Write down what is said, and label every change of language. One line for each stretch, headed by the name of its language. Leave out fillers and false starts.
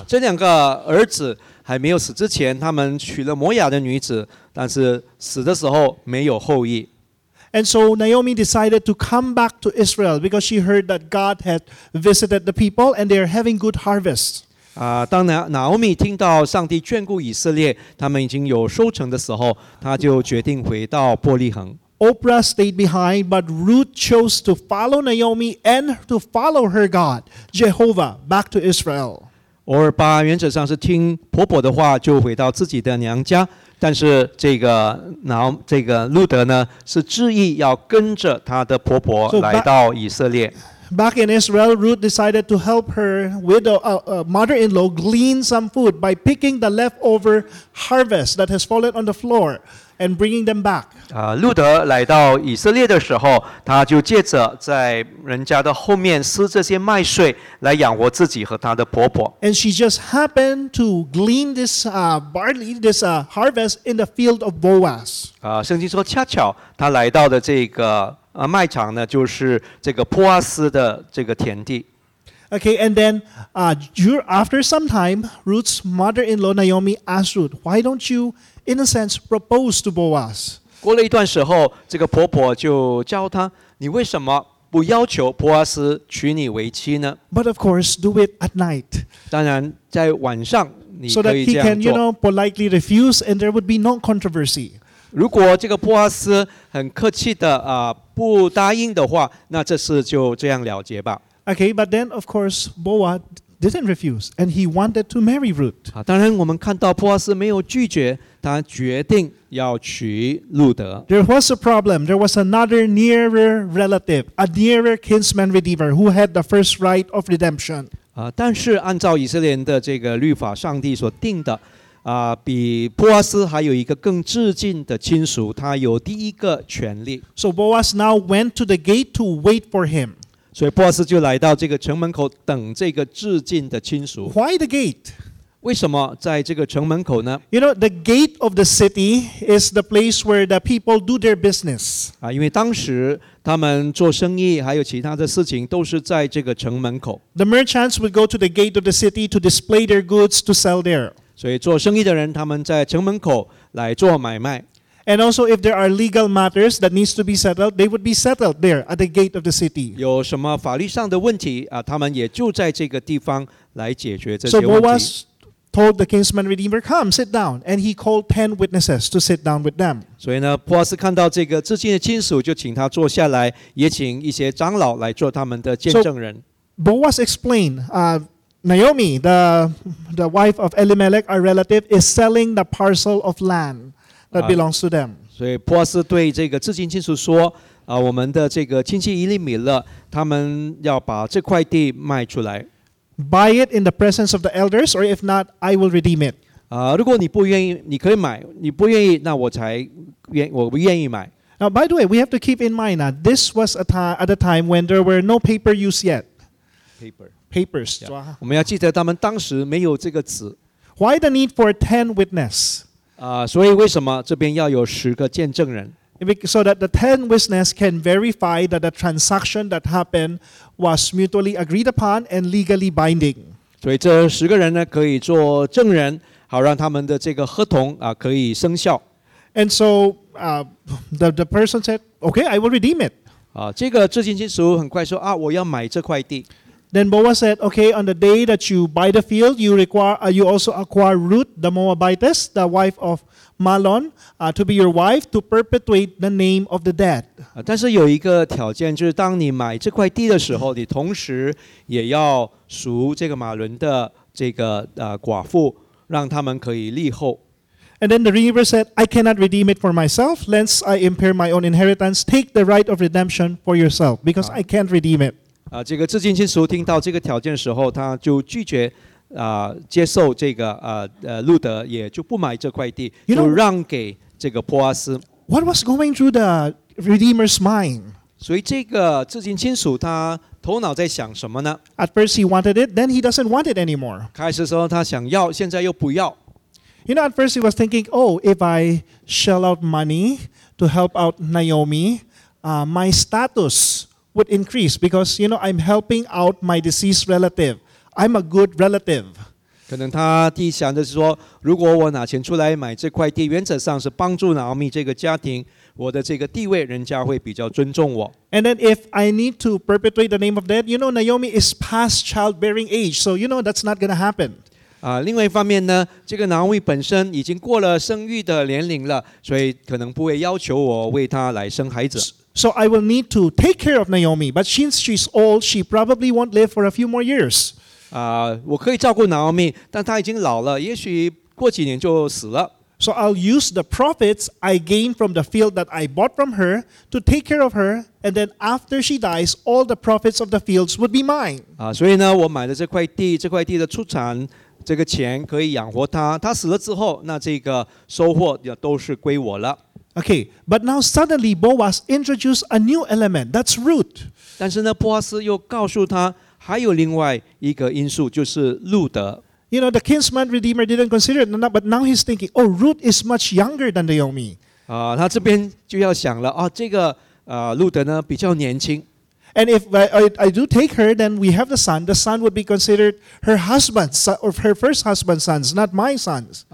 Chinese: 这两个儿子还没有死之前，他们娶了摩亚的女子，但是死的时候没有后裔。
English: And so Naomi decided to come back to Israel because she heard that God had visited the people and they are having good harvest.
Chinese: 当Naomi听到上帝眷顾以色列，他们已经有收成的时候，她就决定回到伯利恒。
English: Oprah stayed behind, but Ruth chose to follow Naomi and to follow her God, Jehovah, back to Israel.
Chinese: Orpah 原则上是听婆婆的话就回到自己的娘家，但是这个路德呢是执意要跟着她的婆婆来到以色列。
English: Back in Israel, Ruth decided to help her widow, mother-in-law glean some food by picking the leftover harvest that has fallen on the floor and bringing them back.
Chinese: 路德来到以色列的时候，他就借着在人家的后面施这些麦穗来养活自己和他的婆婆。
English: And she just happened to glean this barley, this harvest in the field of Boaz.
Chinese: 圣经说恰巧他来到的这个麦场呢，就是这个波阿斯的这个田地。
English: Okay, and then after some time, Ruth's mother-in-law Naomi asked Ruth, "Why don't you, in a sense, propose to Boaz?"
Chinese: 过了一段时候，这个婆婆就教她，你为什么不要求波阿斯娶你为妻呢
English: ？But of course, do it at night.
Chinese: 当然，在晚上你可以这样做。
English: So that he can, you know, politely refuse, and there would be no controversy.
Chinese: 如果这个波阿斯很客气的不答应的话，那这事就这样了结吧。
English: Okay, but then of course Boaz didn't refuse, and he wanted to marry Ruth.
Chinese: 当然，我们看到波阿斯没有拒绝，他决定要娶路德。
English: There was a problem. There was another nearer relative, a nearer kinsman redeemer who had the first right of redemption.
Chinese: 但是按照以色列的这个律法，上帝所定的。比波阿斯还有一个更至近的亲属，他有第一个权利。
English: So Boaz now went to the gate to wait for him.
Chinese: 所以波阿斯就来到这个城门口等这个至近的亲属。
English: Why the gate?
Chinese: 为什么在这个城门口呢
English: ？You know, the gate of the city is the place where the people do their business.
Chinese: 因为当时他们做生意还有其他的事情都是在这个城门口。
English: The merchants would go to the gate of the city to display their goods to sell there.
Chinese: 所以做生意的人他们在城门口来做买卖。
English: And also if there are legal matters that needs to be settled, they would be settled there at the gate of the city.
Chinese: 有什么法律上的问题他们也就在这个地方来解决这些问题。
English: So Boaz told the kinsman redeemer, come, sit down. And he called 10 witnesses to sit down with them.
Chinese: 所以呢波阿斯看到这个至亲的亲属就请他坐下来，也请一些长老来做他们的见证人。
English: So Boaz explained, Naomi, the wife of Elimelech, our relative, is selling the parcel of land that belongs to them.
Chinese: 所以波阿斯对这个至亲亲属说，我们的这个亲戚伊利米勒，他们要把这块地卖出来。
English: Buy it in the presence of the elders, or if not, I will redeem it.
Chinese: 如果你不愿意，你可以买；你不愿意，那我不愿意买。
English: Now, by the way, we have to keep in mind that this was at a time when there were no paper used yet. Papers. Yeah.
Chinese: 我们要记得他们当时没有这个纸。
English: Why the need for 10 witness?
Chinese: 所以为什么这边要有十个见证人
English: ？So that the 10 witness can verify that the transaction that happened was mutually agreed upon and legally binding.
Chinese: 所以这十个人呢可以做证人，好让他们的这个合同可以生效。
English: And so the person said, "Okay, I will redeem it."
Chinese: 这个至亲亲属很快说我要买这块地。
English: Then Boaz said, "Okay, on the day that you buy the field, you also acquire Ruth, the Moabitess, the wife of Mahlon, to be your wife to perpetuate the name of the dead."
Chinese: 但是有一个条件，就是当你买这块地的时候，你同时也要赎这个马伦的这个寡妇，让他们可以立后。
English: And then the redeemer said, "I cannot redeem it for myself, lest I impair my own inheritance. Take the right of redemption for yourself, because I can't redeem it."
Chinese: 这个至亲亲属听到这个条件的时候，他就拒绝接受这个路德，也就不买这块地，
English: you know,
Chinese: 就让给这个波阿斯。
English: What was going through the redeemer's mind?
Chinese: 所以这个至亲亲属他头脑在想什么呢？
English: At first he wanted it, then he doesn't want it anymore.
Chinese: 开始的时候他想要，现在又不要。
English: You know, at first he was thinking, oh, if I shell out money to help out Naomi, my status would increase because, you know, I'm helping out my deceased relative. I'm a good relative.
Chinese: 可能他第一想的是说，如果我拿钱出来买这块地，原则上是帮助 Naomi 这个家庭，我的这个地位人家会比较尊重我。
English: And then if I need to perpetuate the name of dad, you know, Naomi is past childbearing age, so, you know, that's not going to happen.
Chinese: 另外一方面呢，这个Naomi本身已经过了生育的年龄了，所以可能不会要求我为她来生孩子。
English: So I will need to take care of Naomi, but since she's old, she probably won't live for a few more years.
Chinese: 我可以照顾Naomi，但她已经老了，也许过几年就死了。
English: So I'll use the profits I gain from the field that I bought from her to take care of her, and then after she dies, all the profits of the fields would be mine.
Chinese: 所以呢，我买了这块地，这块地的出产。这个钱可以养活他，他死了之后，那这个收获也都是归我了。
English: Okay, but now suddenly Boaz introduced a new element, that's Ruth.
Chinese: 但是呢，波阿斯又告诉他，还有另外一个因素，就是路德。
English: You know, the kinsman redeemer didn't consider it, but now he's thinking, oh, Ruth is much younger than Naomi.
Chinese: 他这边就要想了，这个路德呢比较年轻。
English: And if I do take her, then we have the son would be considered her husband's son, or her first husband's sons, not my sons.